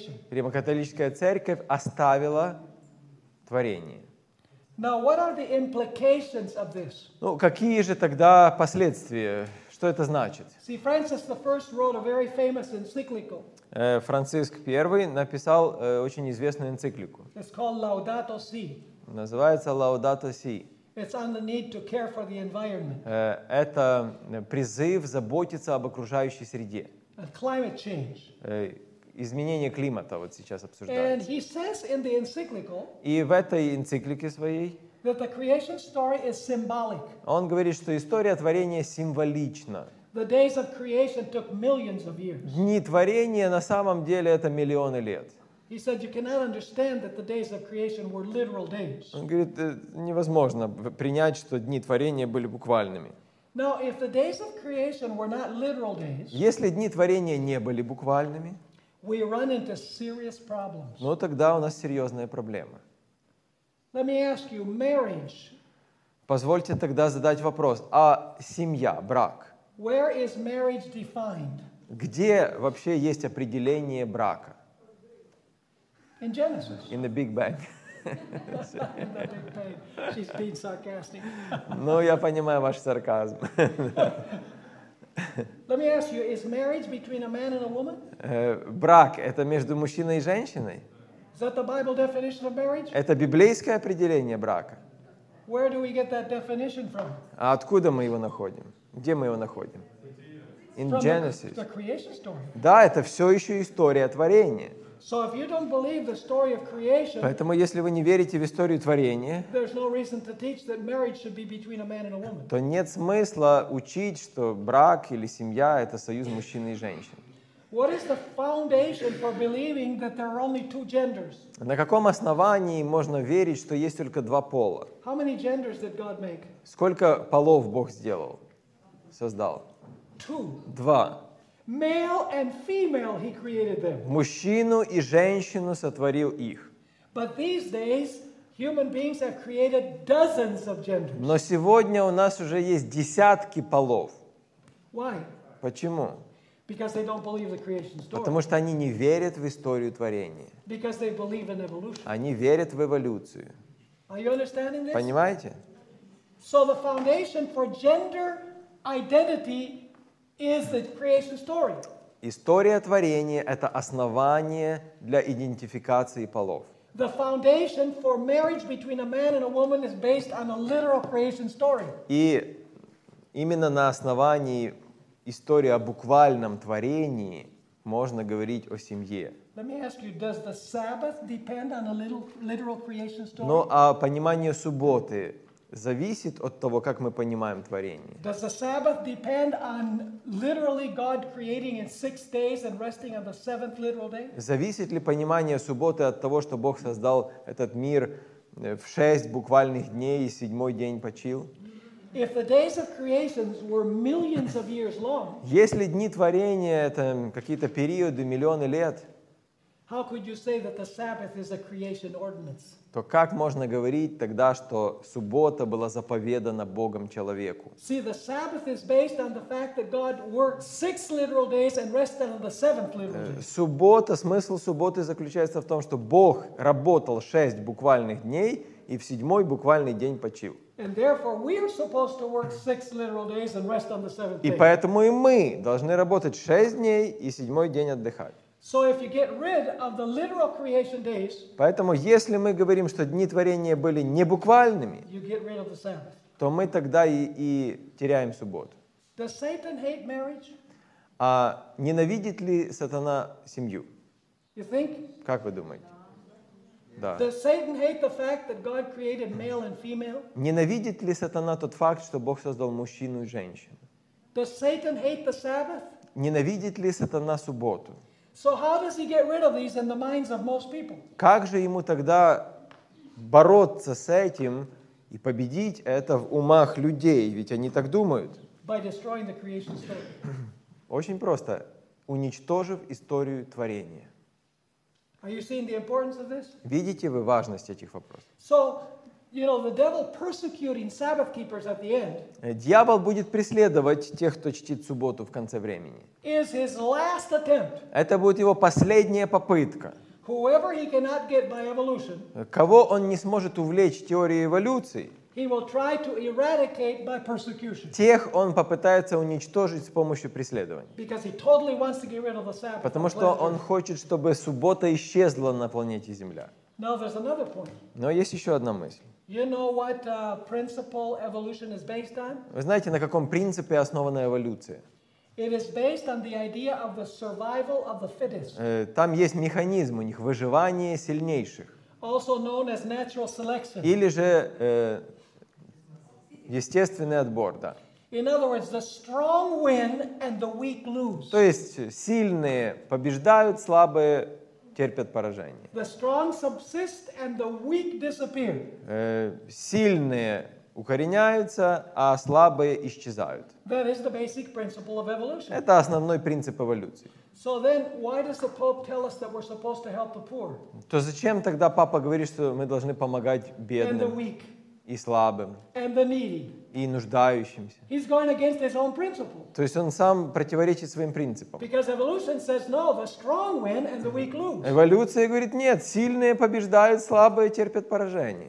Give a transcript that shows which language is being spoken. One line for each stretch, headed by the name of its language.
Russian: Римо-католическая церковь оставила творение.
English: Now, what are the implications of this?
Russian: Ну, какие же тогда последствия? Что это значит?
English: See, Francis I wrote a very famous encyclical.
Russian: Франциск I написал очень известную энциклику.
English: It's called Laudato Si.
Russian: Называется Laudato Si.
English: It's on the need to care for the environment.
Russian: Это призыв заботиться об окружающей среде.
English: And climate change.
Russian: Изменение климата вот сейчас обсуждается.
English: And he says in the encyclical,
Russian: и в этой энциклике своей,
English: that the creation story is symbolic.
Russian: Он говорит, что история творения символична.
English: The days of creation took millions of years.
Russian: Дни творения на самом деле это миллионы лет.
English: He said you cannot understand that the days of creation were literal days.
Russian: Он говорит, невозможно принять, что дни творения были буквальными.
English: Now, if the days of creation were not literal days,
Russian: если дни творения не были буквальными,
English: we run into serious problems.
Russian: Ну тогда у нас серьезная проблема.
English: Let me ask you, marriage.
Russian: Позвольте тогда задать вопрос, а семья, брак?
English: Where is marriage defined?
Russian: Где вообще есть определение брака?
English: In Genesis. In the Big Bang. In the Big Bang. She's being sarcastic.
Russian: Ну, я понимаю ваш сарказм.
English: Let me ask you, is marriage between a man and a woman?
Russian: Брак — это между мужчиной и женщиной?
English: Is that the Bible definition of marriage?
Russian: Это библейское определение брака.
English: Where do we get that definition from?
Russian: А откуда мы его находим? Где мы его находим?
English: In Genesis. The creation story.
Russian: Да, это все еще история творения.
English: So if you don't believe the story of creation,
Russian: поэтому если вы не верите в историю творения,
English: there's no reason to teach that marriage should be between a man and a woman.
Russian: То нет смысла учить, что брак или семья — это союз мужчины и женщины.
English: What is the foundation for believing that there are only two genders?
Russian: На каком основании можно верить, что есть только два пола?
English: How many genders did God make?
Russian: Сколько полов Бог сделал? Создал.
English: Two.
Russian: Два.
English: Male and female he created them.
Russian: Мужчину и женщину сотворил их.
English: But these days Human beings have created dozens of genders.
Russian: Но сегодня у нас уже есть десятки полов.
English: Why?
Russian: Почему?
English: Because they don't believe the creation story.
Russian: Потому что они не верят в историю творения.
English: Because they believe in evolution.
Russian: Они верят в эволюцию.
English: Are you understanding this?
Russian: Понимаете?
English: So the foundation for gender identity is the creation story.
Russian: История творения — это основание для идентификации полов.
English: The foundation for marriage between a man and a woman is based on a literal creation story.
Russian: И именно на основании истории о буквальном творении можно говорить о семье.
English: Let me ask you, does the Sabbath depend on a literal creation story?
Russian: Ну, а понимание субботы зависит от того, как мы понимаем творение.
English: Does the Sabbath depend on literally God creating in six days and resting on the seventh literal day?
Russian: Зависит ли понимание субботы от того, что Бог создал этот мир в шесть буквальных дней и седьмой день почил?
English: If the days of creation were millions of years long,
Russian: если дни творения — это какие-то периоды, миллионы лет,
English: how could you say that the Sabbath is a creation ordinance?
Russian: То как можно говорить тогда, что суббота была заповедана Богом человеку?
English: See, the Sabbath is based on the fact that God worked six literal days and rested on the seventh literal day.
Russian: Суббота, смысл субботы заключается в том, что Бог работал шесть буквальных дней и в седьмой буквальный день почил.
English: And therefore we are supposed to work six literal days and rest on the seventh day.
Russian: И поэтому и мы должны работать шесть дней и седьмой день отдыхать.
English: So if you get rid of the literal creation days,
Russian: поэтому если мы говорим, что дни творения были не буквальными,
English: you get rid of the Sabbath.
Russian: То мы тогда и теряем субботу.
English: Does Satan hate marriage?
Russian: А ненавидит ли сатана семью?
English: You think?
Russian: Как вы думаете? Да.
English: Does Satan hate the fact that God created male and female?
Russian: Ненавидит ли сатана тот факт, что Бог создал мужчину и женщину?
English: Does Satan hate the Sabbath?
Russian: Ненавидит ли сатана субботу?
English: So how does he get rid of these in the minds of most people?
Russian: Как же ему тогда бороться с этим и победить это в умах людей, ведь они так думают?
English: By destroying the creation story.
Russian: Очень просто, уничтожив историю творения.
English: Are you seeing the importance of this?
Russian: Видите вы важность этих вопросов?
English: So, you know, the devil persecuting Sabbath keepers at the end.
Russian: Дьявол будет преследовать тех, кто чтит субботу в конце времени.
English: Is his last attempt.
Russian: Это будет его последняя попытка.
English: Whoever he cannot get by evolution.
Russian: Кого он не сможет увлечь теорией эволюции.
English: He will try to eradicate by persecution.
Russian: Тех он попытается уничтожить с помощью преследования.
English: Because he totally wants to get rid of the Sabbath.
Russian: Потому что он хочет, чтобы суббота исчезла на планете Земля.
English: Now there's another point.
Russian: Но есть еще одна мысль.
English: You know what principle evolution is based on?
Russian: Вы знаете, на каком принципе основана эволюция?
English: It is based on the idea of the survival of the fittest.
Russian: Там есть механизм у них выживание сильнейших.
English: Also known as natural selection.
Russian: Или же естественный отбор, да.
English: In other words, the strong win and the weak lose.
Russian: То есть сильные побеждают, слабые терпят поражение.
English: The strong subsist and the weak disappear.
Russian: Сильные укореняются, а слабые исчезают.
English: That is the basic principle of evolution.
Russian: Это основной принцип эволюции.
English: So then, why does the Pope tell us that we're supposed to help the poor?
Russian: То зачем тогда папа говорит, что мы должны помогать бедным?
English: And the weak.
Russian: И слабым.
English: And the needy.
Russian: И нуждающимся.
English: He's going against his own principle.
Russian: То есть он сам противоречит своим принципам.
English: Because evolution says no, the strong win and the weak lose.
Russian: Эволюция говорит нет, сильные побеждают, слабые терпят поражение.